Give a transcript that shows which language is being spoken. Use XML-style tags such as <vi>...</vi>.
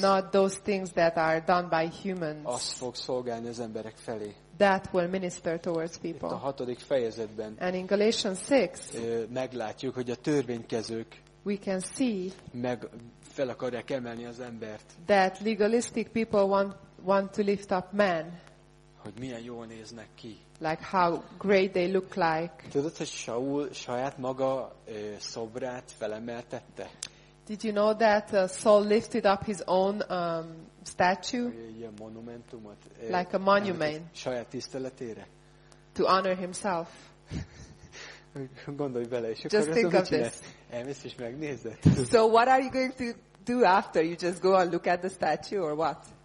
<en>Not those things that are done by humans.</en> <hu>Azt fog szolgálni az emberek felé.</hu> <en>That will minister towards people.</en> <hu>Itt a 6. fejezetben.</hu> <en>And in Galatians 6.</en> <hu>Meglátjuk, hogy a törvénykezők.</hu> <en>We can see.</en> <hu>Meg fel akarják emelni az embert.</hu> <en>That legalistic people want to lift up men.</en> <hu>Hogy milyen jól néznek ki.</hu> <en>Like how great they look like.</en> <hu>Tudod, hogy Saul saját maga szobrát felemeltette?</hu> <en>Did you know that Saul lifted up his own statue?</en> <hu>Ilyen monumentumot.</hu> <en>Like a monument.</en> <hu>Saját tiszteletére.</hu> <en>To honor himself.</en> <hu>Gondolj bele, és</hu> <en>just think of this.</en> <hu>Elmész és megnézed.</hu> <en>So what are you going to do after? You just go and look at the statue or what?</en>